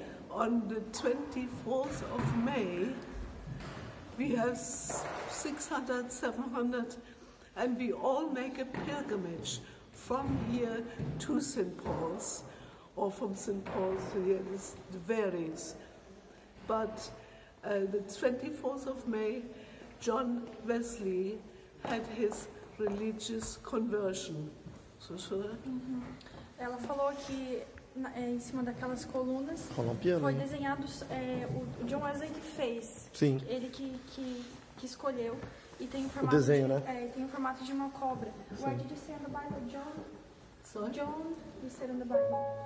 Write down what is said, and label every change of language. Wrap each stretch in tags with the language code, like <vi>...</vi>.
<en>On the 24th of May, we have 600, 700, and we all make a pilgrimage from here to St. Paul's, or from St. Paul's to here, it varies. But the 24th of May, John Wesley had his religious conversion. So,</en> <pt>Ela falou que em cima daquelas colunas foi desenhado o John Wesley que fez. Sim. Ele que escolheu. E tem o desenho, né? E tem o formato de uma cobra. Sim.</pt> <en>Where did you say in the Bible, John? Sorry? John, you said in the Bible.</en>